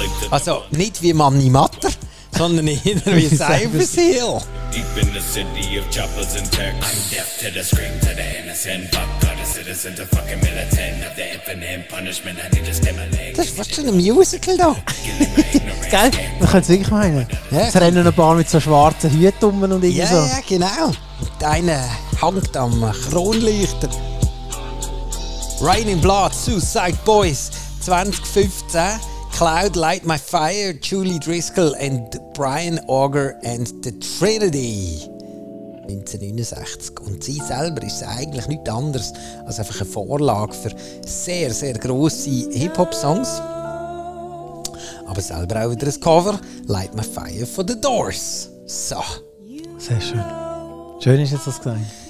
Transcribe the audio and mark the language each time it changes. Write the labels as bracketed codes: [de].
[de] Also nicht wie Manni Matter, sondern eher wie Cypress Hill. [en] Deep in the city of choppers and techs, I'm deaf to the screams of the innocent. Fuck God, a citizen, a fucking militant of the infinite punishment. I need to stem my legs. [de] Das ist fast schon ein Musical da. Geil, man könnte es wirklich meinen. Es rennen ein paar mit so schwarzen Hüten um und irgendwie so. Ja, genau. Und einer hängt am Kronleuchter. Rain in Blood, Suicide Boys, 2015. Cloud, Light My Fire, Julie Driscoll and Brian Auger and the Trinity. 1969. Und sie selber ist eigentlich nichts anderes als einfach eine Vorlage für sehr, sehr grosse Hip-Hop-Songs. Aber selber auch wieder ein Cover, Light My Fire for the Doors. So. Sehr schön. Schön ist jetzt das gesehen.